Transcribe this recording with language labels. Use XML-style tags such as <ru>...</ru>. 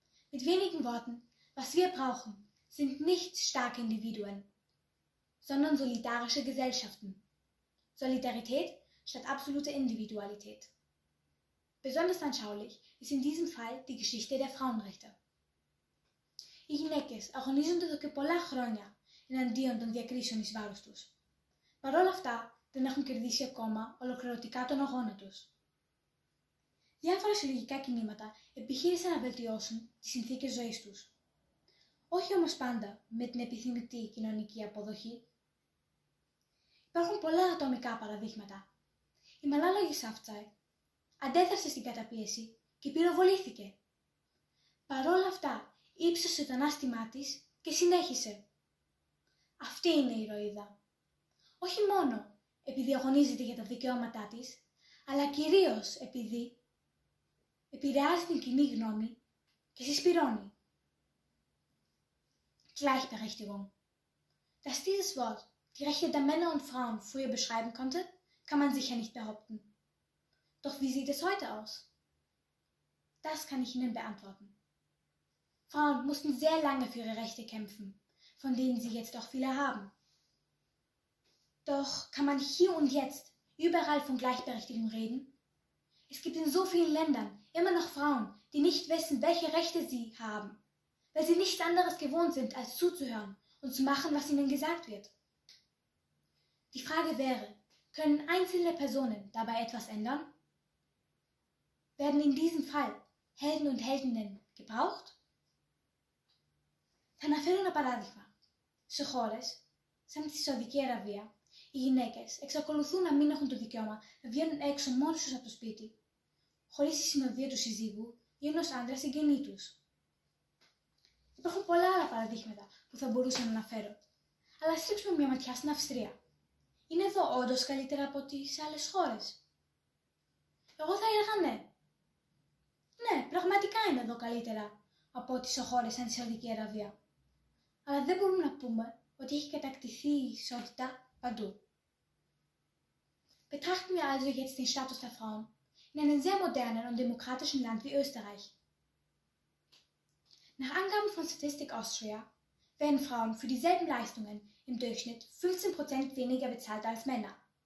<de>Mit wenigen Worten, was wir brauchen, sind nicht starke Individuen, sondern solidarische Gesellschaften. Solidarität statt absolute Individualität. Besonders anschaulich ist in diesem Fall die Geschichte der Frauenrechte.</de> <el>Γυναίκες αγωνίζονται εδώ και πολλά χρόνια εναντίον των διακρίσεων εις βάρος τους. Παρ' όλα αυτά, δεν έχουν κερδίσει ακόμα ολοκληρωτικά τον αγώνα τους. Διάφορα συλλογικά κινήματα επιχείρησαν να βελτιώσουν τις συνθήκες ζωής τους. Όχι όμως πάντα με την επιθυμητή κοινωνική αποδοχή. Υπάρχουν πολλά ατομικά παραδείγματα. Η Μαλάλα Γιουσάφτσαϊ αντέδρασε στην καταπίεση και πυροβολήθηκε. Παρ' όλα αυτά, ύψωσε το ανάστημά της και συνέχισε. Αυτή είναι η ηρωίδα. Όχι μόνο επειδή αγωνίζεται για τα δικαιώματά της, αλλά κυρίως επειδή επηρεάζει την κοινή γνώμη και συσπηρώνει.</el> <de>Gleichberechtigung. Dass dieses Wort die Rechte der Männer und Frauen früher beschreiben konnte, kann man sicher nicht behaupten. Doch wie sieht es heute aus? Das kann ich Ihnen beantworten. Frauen mussten sehr lange für ihre Rechte kämpfen, von denen sie jetzt auch viele haben. Doch kann man hier und jetzt überall von Gleichberechtigung reden? Es gibt in so vielen Ländern immer noch Frauen, die nicht wissen, welche Rechte sie haben, weil sie nichts anderes gewohnt sind, als zuzuhören und zu machen, was ihnen gesagt wird. Die Frage wäre, können einzelne Personen dabei etwas ändern? Werden in diesem Fall Helden und Heldinnen gebraucht?</de> <el>Θα αναφέρω ένα παράδειγμα. Σε χώρες, σαν τη Σαουδική Αραβία, οι γυναίκες εξακολουθούν να μην έχουν το δικαίωμα να βγαίνουν έξω μόνες τους από το σπίτι, χωρίς τη συνοδεία του συζύγου ή ενός άντρα συγγενή τους. Υπάρχουν πολλά άλλα παραδείγματα που θα μπορούσα να αναφέρω, αλλά ας ρίξουμε μια ματιά στην Αυστρία. Είναι εδώ όντως καλύτερα από ό,τι σε άλλες χώρες? Εγώ θα έλεγα ναι. Ναι, πραγματικά είναι εδώ καλύτερα από ό,τι σε χώρες σαν τη Σαουδική Αραβία. Αλλά δεν μπορούμε να πούμε ότι έχει κατακτηθεί η ισότητα παντού.</el> <de>Betrachten wir also jetzt den Status der Frauen in einem sehr modernen und demokratischen Land wie Österreich. Nach Angaben von Statistik Austria werden Frauen für dieselben Leistungen im Durchschnitt 15% weniger bezahlt als Männer.</de>